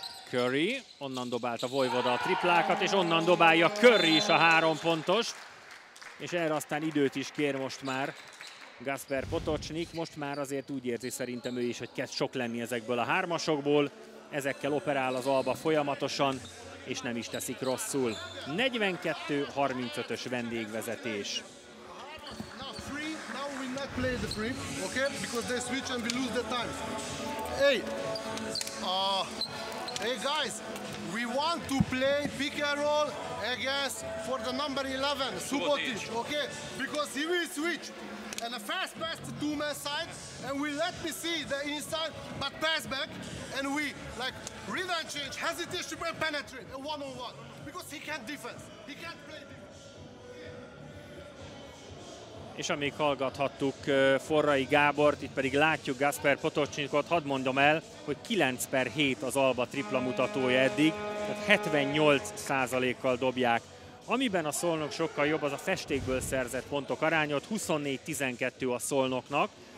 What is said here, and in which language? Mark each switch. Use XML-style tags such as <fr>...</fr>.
<hu>Curry, onnan dobálta Vojvoda a triplákat, és onnan dobálja Curry is a 3 pontos. És erre aztán időt is kér most már Gaspar Potocnik. Most már azért úgy érzi szerintem ő is, hogy kezd sok lenni ezekből a 3-asokból. Ezekkel operál az Alba folyamatosan, és nem is teszik rosszul. 42-35-ös vendégvezetés.</hu> <en>Now free, now we not play the free, okay? Because they switch and we lose the time. Hey, hey guys! We want to play pick and roll against for the number 11, Subotic, okay? Because he will switch and a fast pass to 2-man side and we let me see the inside, but pass back and we like rhythm change, hesitation to penetrate a 1-on-1 because he can't defense, he can't play defense.</en> <hu>És amíg hallgathattuk Forrai Gábort, itt pedig látjuk Gaspar Potocnikot, hadd mondom el, hogy 9/7 az Alba tripla mutatója eddig, tehát 78%-kal dobják. Amiben a Szolnok sokkal jobb, az a festékből szerzett pontok aránya, 24-12 a Szolnoknak.</hu>